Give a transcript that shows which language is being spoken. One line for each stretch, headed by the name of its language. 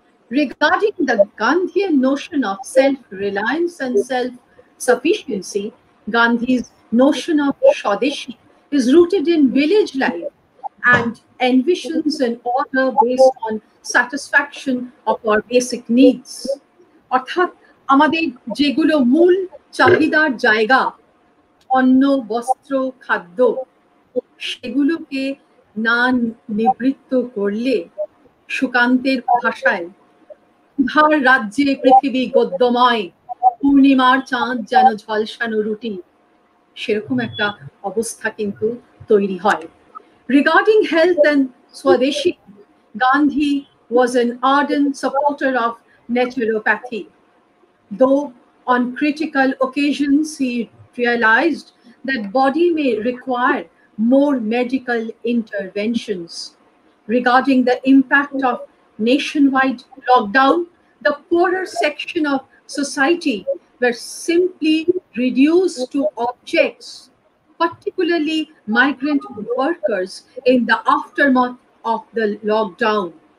English: Regarding the Gandhian notion of self-reliance and self-sufficiency, Gandhi's notion of Swadeshi is rooted in village life and envisions an order based on satisfaction of our basic needs.
Bangla: অর্থাৎ আমাদের যেগুলো মূল চাহিদার জায়গা অন্ন বস্ত্র খাদ্য সেগুলোকে না নিবৃত্ত করলে সুকান্তের ভাষায় ধার রাজ্যে পৃথিবী গদ্যময় পূর্ণিমার চাঁদ যেন ঝলসানো রুটি সেরকম একটা অবস্থা কিন্তু তৈরি হয়
English: Regarding health and swadeshi Gandhi was an ardent supporter of naturopathy though on critical occasions he realised that body may require more medical interventions. Regarding the impact of nationwide lockdown, the poorer section of society were simply reduced to objects, particularly migrant workers in the aftermath of the lockdown.